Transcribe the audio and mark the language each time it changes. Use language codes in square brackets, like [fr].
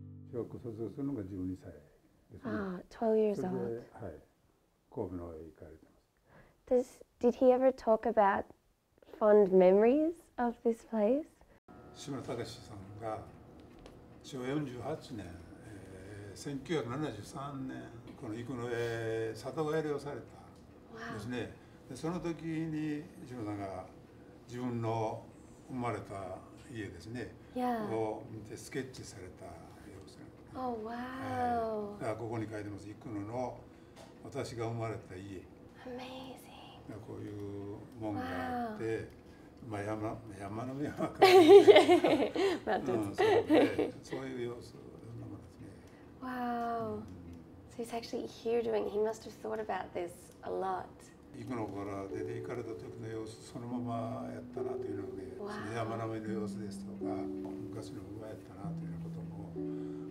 [ja] 小学校卒業するのが12歳ですね。 [en] 12 years old. [ja] はい。神戸の方へ行かれてます。 [en] Did he ever talk about fond memories of this place? [ja] 志村隆さんが昭和48年、1973年、この生野へ里帰りをされたですね。 [en] Wow. [ja] その時に志村さんが自分の生まれた家ですね、 [en] yeah. [ja] を見てスケッチされた。 [en] Oh, wow. [ja] ここに書いてます。イクノの私が生まれた家。 [en] Amazing. [ja] こういう門があって、 [en] wow. [ja] まあ山の山から、ね。 [en] Yeah. Mountains. [ja] そういう様子ですね。 [en] Wow. So he's actually here doing. He must have thought about this a lot. [ja] イクノから出て行かれた時の様子そのままやったなというので、 [en] wow. [ja] その山並みの様子ですとか昔の馬やったなというようなことも。